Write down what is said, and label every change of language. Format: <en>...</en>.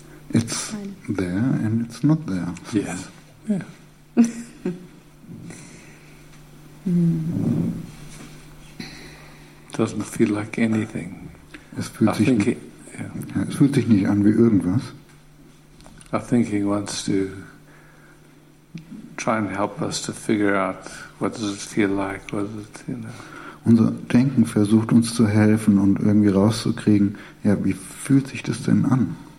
<en>It's there and it's not there. Yes. Yeah. Doesn't feel like anything.</en> <de>Es fühlt sich nicht. Yeah. Ja, es fühlt sich nicht an wie irgendwas.</de> <en>I think he wants to try and help us to figure out what does it feel like, what does it, you know.</en> <de>Unser Denken versucht uns zu helfen und irgendwie rauszukriegen, ja, wie fühlt sich das denn an?</de>